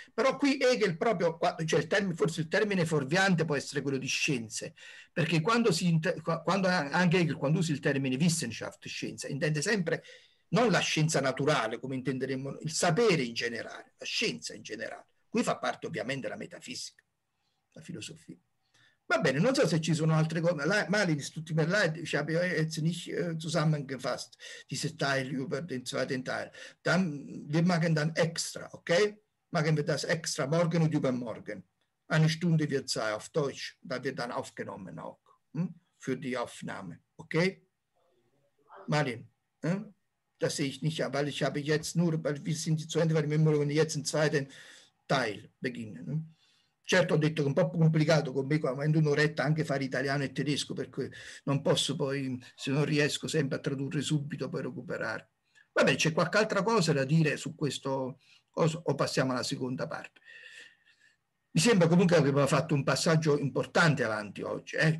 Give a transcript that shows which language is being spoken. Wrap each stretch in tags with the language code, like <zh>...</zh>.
<it>Però qui Hegel proprio, cioè forse il termine fuorviante può essere quello di scienze, perché quando usa il termine Wissenschaft, scienza, intende sempre non la scienza naturale, come intenderemmo, il sapere in generale, la scienza in generale. Qui fa parte ovviamente la metafisica, la filosofia. Va bene, non so se ci sono altre cose.</it> <de>Malin,</de> <it>tutti per lei, diciamo,</it> <de>jetzt nicht zusammengefasst, diese Teil über den zweiten Teil. Wir machen dann extra, ok? Machen wir das extra morgen und übermorgen. Eine Stunde wird Zeit auf Deutsch, da wird dann aufgenommen auch, für die Aufnahme, ok? Malin, dass ich nicht, weil ich habe jetzt nur, weil wir sind zu Ende, weil wir müssen jetzt den zweiten Teil beginnen.</de> <it>Certo, ho detto che è un po' complicato con me, avendo un'oretta anche fare italiano e tedesco, per cui non posso poi, se non riesco sempre a tradurre subito, poi recuperare. Vabbè, c'è qualche altra cosa da dire su questo coso, o passiamo alla seconda parte? Mi sembra comunque che abbiamo fatto un passaggio importante avanti oggi, eh?</it>